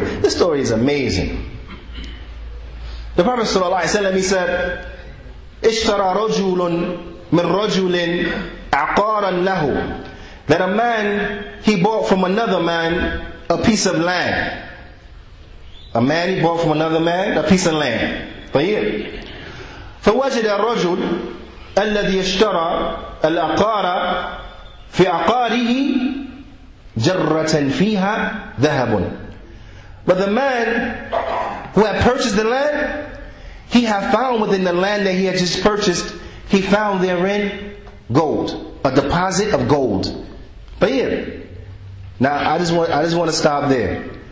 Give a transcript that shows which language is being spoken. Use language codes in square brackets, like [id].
[en] This story is amazing. The Prophet sallallahu alaihi wasallam, he said, [ar] اشترى رجل من رجل عقارا له, [en] that a man, he bought from another man a piece of land. A man, he bought from another man a piece of land. [ar] طيب. فوجد الرجل الذي اشترى العقار في عقاره جرة فيها ذهب. [en] But the man who had purchased the land, he had found within the land that he had just purchased, he found therein gold, a deposit of gold. But yeah, now I just want to stop there.